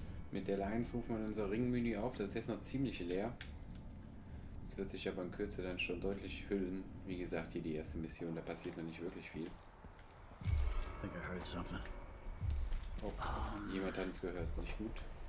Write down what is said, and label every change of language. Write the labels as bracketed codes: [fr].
[de] Mit der Lions rufen wir unser Ringmenü auf, das ist jetzt noch ziemlich leer. Das wird sich aber in Kürze dann schon deutlich füllen. Wie gesagt, hier die erste Mission, da passiert noch nicht wirklich viel. [en] I think I heard something. [de] Oh, jemand hat es gehört, nicht gut.